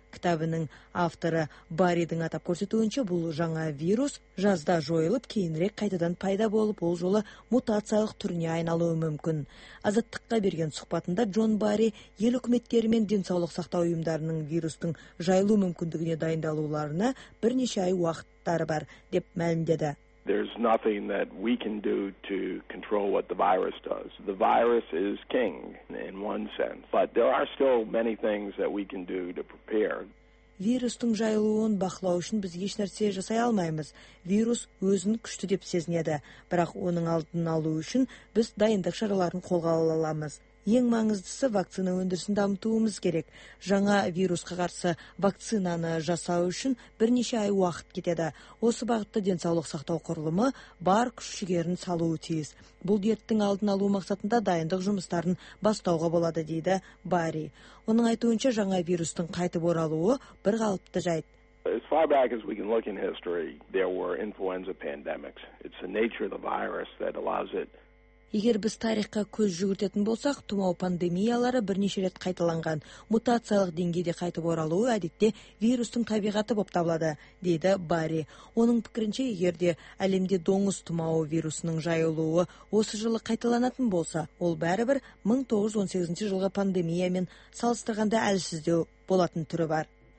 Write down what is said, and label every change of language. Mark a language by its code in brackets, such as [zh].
[kk] кітабының авторы Баридің атап көрсетуінше, бұл жаңа вирус жазда жойылып, кейінірек қайтадан пайда болып, ол жолы мутациялық түріне айналуы мүмкін. Азаттыққа берген сұхбатында Джон Барри ел үкіметтері мен денсаулық сақтау ұйымдарының вирустың жайылу мүмкіндігіне дайындалуларына бірнеше ай уақыттары бар деп мәлімдеді. [en] There's nothing that we can do to control what the virus does. The virus is king in one sense, but there are still many things that we can do to prepare. [kk] Вирустың жайылуын бақылау үшін біз еш нәрсе жасай алмаймыз. Вирус өзін күшті деп сезінеді, бірақ оның алдын алу үшін біз дайындық шараларын қолға аламыз. Ең маңыздысы вакцина өндірісін дамытуымыз керек. Жаңа вирусқа қарсы вакцинаны жасау үшін бірнеше ай уақыт кетеді. Осы бағытта денсаулық сақтау құрылымы бар күш-жігерін салуы тиіс. Бұл дерттің алдын алу мақсатында дайындық жұмыстарын бастауға болады, дейді Барри. Оның айтуынша, жаңа вирустың қайтып оралуы бір қалыпты жайт. [en] As far back as we can look in history, there were influenza pandemics. It's the nature of the virus that allows it. [kk] Егер біз тарихқа көз жүгіртетін болсақ, тұмау пандемиялары бірнеше рет қайталанған, мутациялық деңгейде қайтып оралуы әдетте вирустың табиғаты болып табылады, дейді Барри. Оның пікірінше, егер де әлемде доңыз тұмауы вирусының жайылуы осы жылы қайталанатын болса, ол бәрібір 1918 жылғы пандемиямен салыстырғанда әлсіздеу болатын түрі бар.